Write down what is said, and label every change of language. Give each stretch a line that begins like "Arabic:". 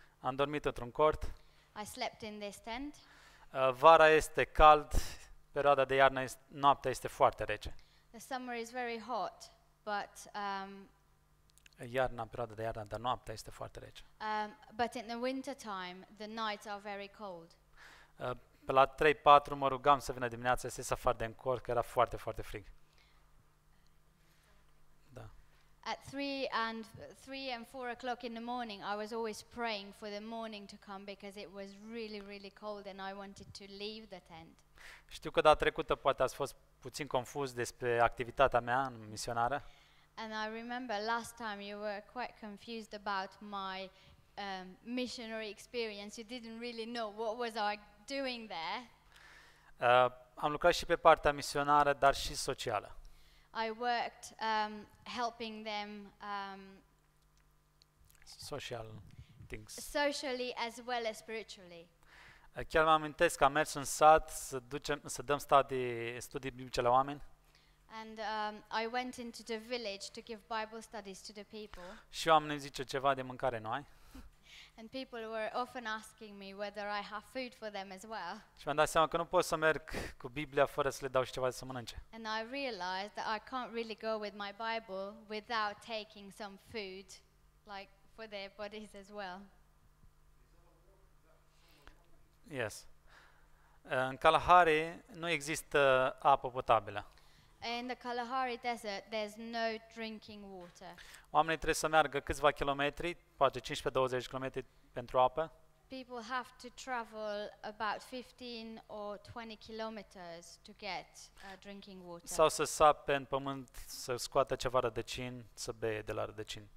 Romanian: Am dormit într-un cort.
English: I slept in this tent.
Romanian: Vara este cald, perioada de iarnă, noaptea este foarte rece.
English: The summer is very hot, but
Romanian: iarna, perioada de iarnă, dar noaptea este foarte rece.
English: But in the winter time, the nights are very cold.
Romanian: Pe la 3-4 mă rugam să vină dimineața, să ies afară din cort, că era foarte, foarte frig.
English: At 3 and 4 o'clock in the morning, I was always praying for the morning to come because it was really, really cold and I wanted to leave the tent.
Romanian: Știu că data trecută poate ați fost puțin confuz despre activitatea mea misionară.
English: And I remember last time you were quite confused about my missionary experience. You didn't really know what was I doing there.
Romanian: Am lucrat și pe partea misionară, dar și socială.
English: I worked helping them social things. Socially as well as spiritually.
Romanian: Chiar mă amintesc că am mers în sat să dăm studii biblice la oameni.
English: And I went into the village to give Bible studies to the people.
Romanian: Și oamenii zice ceva de mâncare noi.
English: And people were often asking me whether I have food for them as well.
Romanian: Și m-am dat seama că nu pot să merg cu Biblia fără să le dau și ceva să mănânce.
English: And I realized that I can't really go with my Bible without taking some food like for their bodies as well. Yes.
Romanian: În Kalahari nu există apă potabilă.
English: In the Kalahari Desert, there's no drinking water.
Romanian: Oamenii trebuie să meargă câțiva kilometri, poate 15-20 kilometri pentru apă.
English: People have to travel about 15 or 20 kilometers to get drinking water.
Romanian: Sau să sape în pământ, să scoată ceva rădăcini, să bea de la rădăcini.